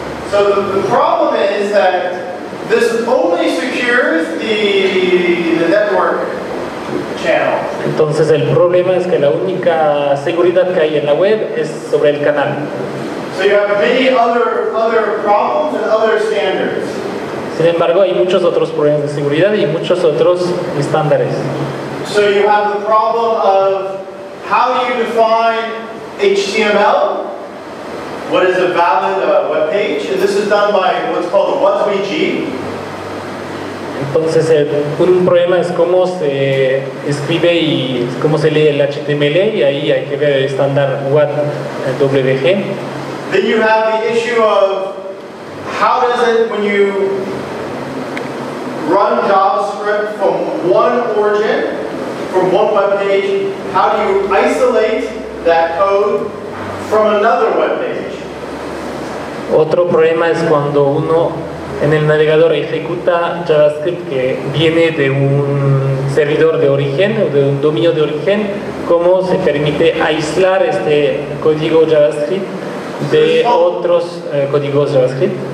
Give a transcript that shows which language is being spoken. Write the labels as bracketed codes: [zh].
[en] So the problem is that this only secures the network channel. [es] Entonces el problema es que la única seguridad que hay en la web es sobre el canal. [en] So you have many other problems and other standards. [es] Sin embargo, hay muchos otros problemas de seguridad y muchos otros estándares. [en] So you have the problem of how do you define HTML? What is a valid web page? And this is done by what's called a WebVG. [es] Entonces, un problema es cómo se escribe y cómo se lee el HTML, y ahí hay que ver el estándar WebVG. [en] Then you have the issue of how does it, when you run JavaScript from one origin, from one web page, how do you isolate that code from another web page? [es] Otro problema es cuando uno en el navegador ejecuta JavaScript que viene de un servidor de origen o de un dominio de origen, ¿cómo se permite aislar este código JavaScript de otros códigos JavaScript?